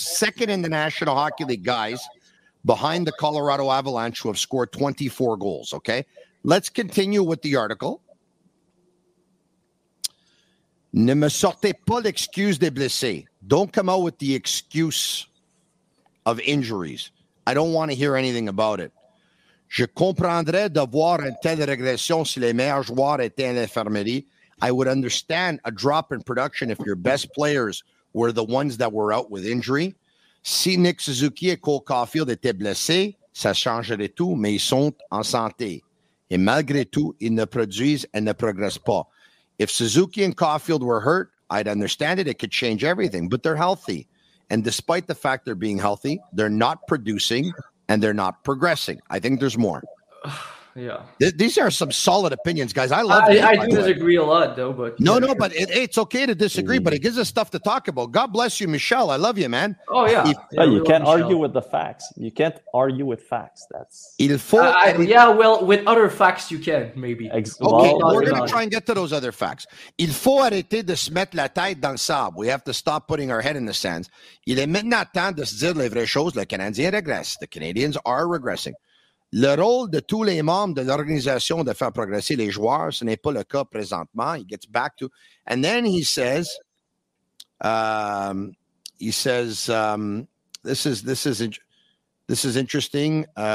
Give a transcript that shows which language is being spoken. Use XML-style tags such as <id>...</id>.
<en>Second in the National Hockey League, guys, behind the Colorado Avalanche, who have scored 24 goals. Okay. Let's continue with the article.</en> <fr>Ne me sortez pas l'excuse des blessés.</fr> <en>Don't come out with the excuse of injuries. I don't want to hear anything about it.</en> <fr>Je comprendrais de voir une telle régression si les meilleurs joueurs étaient à l'infirmerie.</fr> <en>I would understand a drop in production if your best players were the ones that were out with injury.</en> <fr>Si Nick Suzuki et Cole Caulfield étaient blessés, ça changerait tout, mais ils sont en santé. Et malgré tout, ils ne produisent et ne progressent pas.</fr> <en>If Suzuki and Caulfield were hurt, I'd understand it. It could change everything, but they're healthy. And despite the fact they're being healthy, they're not producing and they're not progressing. I think there's more. Yeah. These are some solid opinions, guys. I love it. I do disagree a lot, though. But but it's okay to disagree, but it gives us stuff to talk about. God bless you, Michelle. I love you, man. Oh, yeah. You can't argue with the facts. You can't argue with facts. With other facts, you can, maybe. We're going to try and get to those other facts.</en> <fr>Il faut arrêter de se mettre la tête dans le sable.</fr> <en>We have to stop putting our head in the sand.</en> <fr>Il est maintenant temps de se dire les vraies choses. Le Canadien regresse.</fr> <en>The Canadians are regressing.</en> <fr>Le rôle de tous les membres de l'organisation de faire progresser les joueurs, ce n'est pas le cas présentement.</fr> <en>He gets back to, and then he says, this is interesting.</en>